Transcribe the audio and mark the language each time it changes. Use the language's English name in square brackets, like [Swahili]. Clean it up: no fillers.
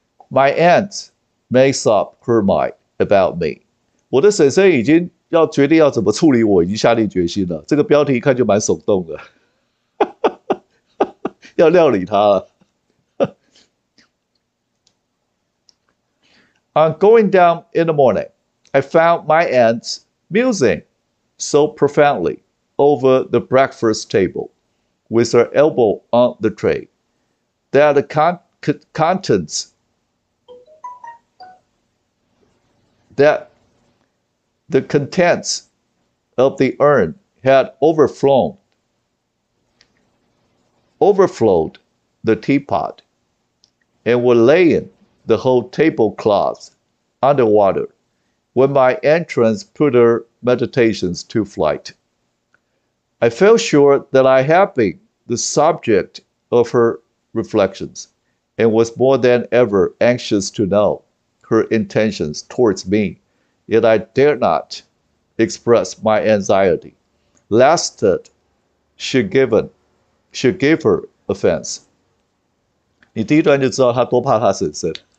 [English] My aunt makes up her mind about me. [Chinese] 我的婶婶已经要决定要怎么处理我，已经下定决心了。这个标题一看就蛮耸动的，要料理他了。 [English] On going down in the morning, I found my aunt musing so profoundly over the breakfast table, with her elbow on the tray, that the contents that the contents of the urn had overflowed the teapot, and were laying the whole tablecloth underwater, when my entrance put her meditations to flight. I felt sure that I had been the subject of her reflections, and was more than ever anxious to know her intentions towards me, yet I dared not express my anxiety, lest it should give her offense. [Chinese] 你第一段就知道他多怕他婶婶。